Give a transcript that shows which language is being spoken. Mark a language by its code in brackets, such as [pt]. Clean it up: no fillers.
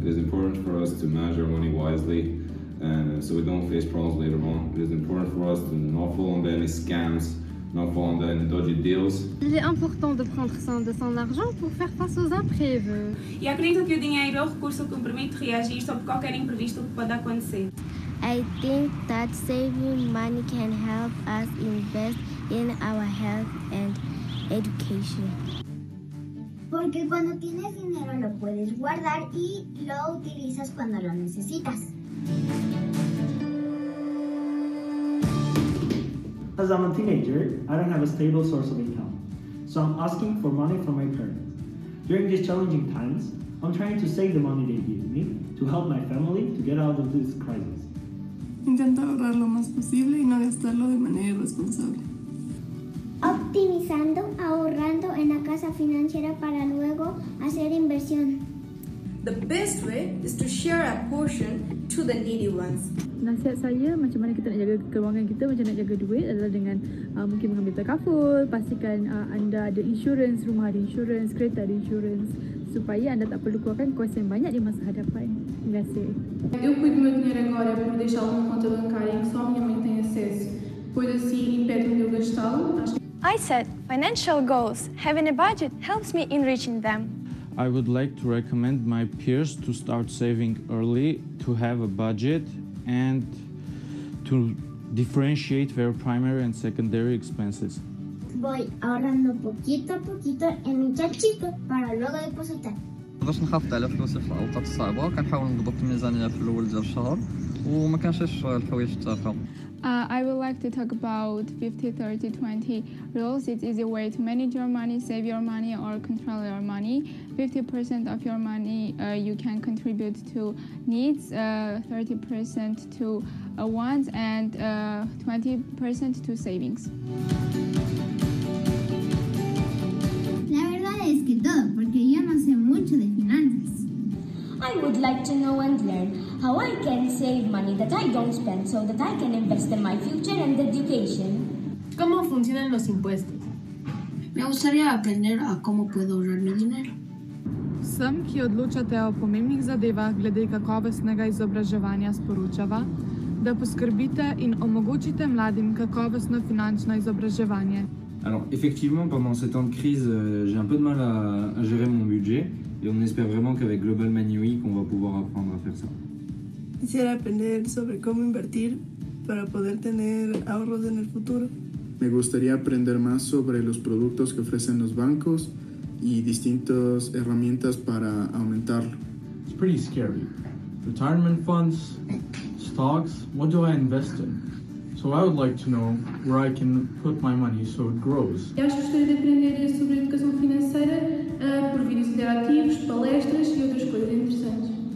[en] It is important for us to manage our money wisely and so we don't face problems later on. It is important for us to not fall into any scams, not fall into any dodgy deals. [fr] Es importante de prendre soin de son argent pour faire face aux imprévus. [pt] Y acredito que o dinheiro é o recurso que me permite reagir sobre qualquer imprevisto que pode acontecer. [en] I think that saving money can help us invest in our health and education. [es] Porque cuando tienes dinero lo puedes guardar y lo utilizas cuando lo necesitas. [en] As I'm a teenager, I don't have a stable source of income, so I'm asking for money from my parents. During these challenging times, I'm trying to save the money they give me to help my family to get out of this crisis. [es] Intento ahorrar lo más posible y no gastarlo de manera irresponsable. Optimizando, ahorrando en la casa financiera para luego hacer inversión. [en] The best way is to share a portion to the needy ones. [ms] Nasihat saya macam mana kita nak jaga kewangan kita, macam nak jaga duit adalah dengan mungkin mengambil takaful, pastikan anda ada insurance, rumah ada insurance, kereta ada insurance. Supaya anda tak perlu keluarkan kos yang banyak di masa hadapan. Terima kasih. [pt] Eu cuido meu dinheiro agora por deixar uma conta bancária em que só minha mãe tem acesso, pois assim impede de eu gastá-lo. [en] I said, financial goals, having a budget helps me in reaching them. I would like to recommend my peers to start saving early, to have a budget and to differentiate their primary and secondary expenses. [es] Voy ahorrando poquito a poquito en mi chachito para luego depositar. [ar] باش نخفض على فلوسي في الاوقات الصعبه كنحاول نضبط الميزانيه في الاول ديال الشهر وما كانش الحوايج تافهه. [en] I would like to talk about 50-30-20 rules. It's easy way to manage your money, save your money, or control your money. 50% of your money you can contribute to needs, 30% to wants, and 20% to savings. [es] La verdad es que todo, porque yo no sé mucho de finanzas. [en] I would like to know and learn how I can save money that I don't spend so that I can invest in my future and education. [es] ¿Cómo funcionan los impuestos? Me gustaría aprender a cómo puedo ahorrar mi dinero. [sl] Sem, ki odločate o pomembnih zadevah glede kakovostnega izobraževanja, sporočava, da poskrbite in omogočite mladim kakovostno finančno izobraževanje. [fr] Alors effectivement, pendant ces temps de crise, j'ai un peu de mal à gérer mon budget et on espère vraiment qu'avec Global Money Week, on va pouvoir apprendre à faire ça. [es] Quisiera aprender sobre cómo invertir para poder tener ahorros en el futuro. Me gustaría aprender más sobre los productos que ofrecen los bancos y distintas herramientas para aumentarlo. [en] It's pretty scary. Retirement funds, stocks, what do I invest in? So I would like to know where I can put my money so it grows. [es] Yo gustaría aprender sobre educación financiera por vídeos interactivos, palestras y otras cosas interesantes.